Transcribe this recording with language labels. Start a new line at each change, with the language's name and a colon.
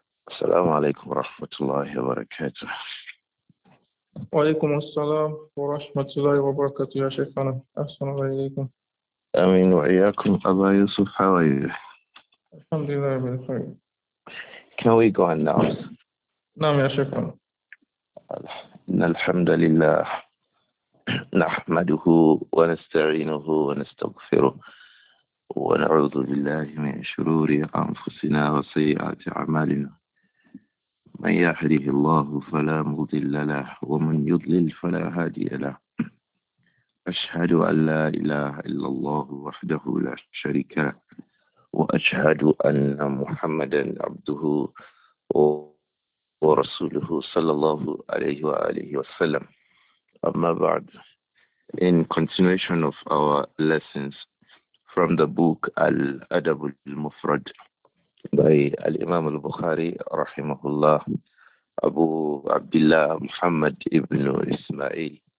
Arabic: السلام عليكم ورحمة الله وبركاته. وعليكم السلام ورحمة الله وبركاته يا شيخنا، السلام عليكم. آمين. وإياكم أبا يوسف،
English: how are you؟
Arabic: الحمد لله بخير.
English: Can we go on now؟
Arabic: نعم يا شيخنا. إن الحمد لله نحمده ونستعينه ونستغفره ونعوذ بالله من شرور أنفسنا وسيئات أعمالنا. من يهده الله فلا مضل له، ومن يضلل فلا هادي له. أشهد أن لا إله إلا الله وحده لا شريك له، وأشهد أن محمدا عبده ورسوله صلى الله عليه وآله وسلم. أما بعد،
English: in continuation of our lessons from the book Al-Adab Al-Mufrad by Al-Imam Al-Bukhari rahimahullah, Abu Abdullah Muhammad ibn Ismail,